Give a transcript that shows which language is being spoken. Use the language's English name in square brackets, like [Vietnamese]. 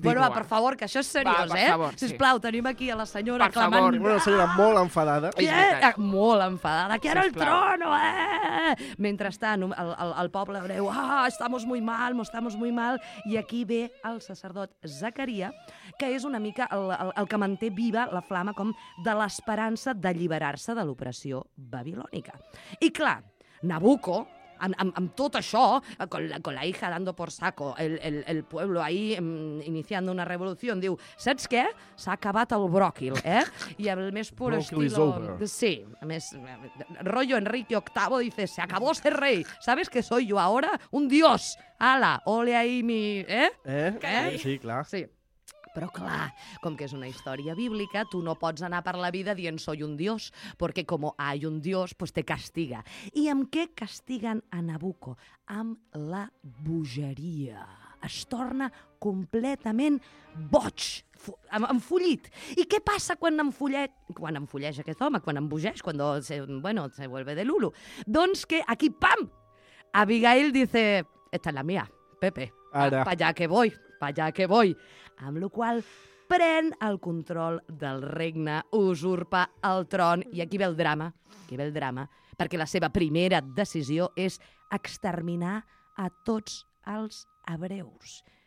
[Catalan] bueno, va, per favor, que això és seriós, va, favor, eh? Sí. Sisplau, tenim aquí a la senyora clamant... Una senyora molt enfadada. Molt enfadada. Aquí era el trono, eh? Mentrestant, el poble hebreu, [Spanish] ah, estamos muy mal, estamos muy mal. [Catalan] I aquí ve el sacerdot Zacaria, que és una mica el que manté viva la flama com de l'esperança d'alliberar-se de l'opressió babilònica. I clar, Nabucco, amb tot això, [Spanish] con la hija dando por saco el pueblo ahí iniciando una revolución, [Catalan] diu, saps què? S'ha acabat el bròquil, eh? I amb el més pur estilo... [Spanish] Sí, [Catalan] a més, [Spanish] rollo Enrique VIII, dice, se acabó ser rey, ¿sabes que soy yo ahora? Un dios, ala, ole ahí mi... [Catalan] Sí, clar. Sí. Però clar, com que és una història bíblica, tu no pots anar per la vida dient [Spanish] soy un dios, [Catalan] perquè com [Spanish] hay un dios, pues te castiga. [Catalan] I amb què castiguen a Nabucco? Amb la bogeria. Es torna completament boig, enfollit. I què passa quan enfolleix aquest home, quan embogeix, quan se, bueno, [Spanish] se vuelve de lulu? [Catalan] Doncs que aquí, pam, [Spanish] Abigail dice, esta es la mía, Pepe, [Catalan] ara. [Spanish] Pa allà que voy, pa allà que voy. [Catalan] Amb la qual pren el control del regne, usurpa el tron. I aquí ve el drama, aquí ve el drama, perquè la seva primera decisió és exterminar a tots els hebreus.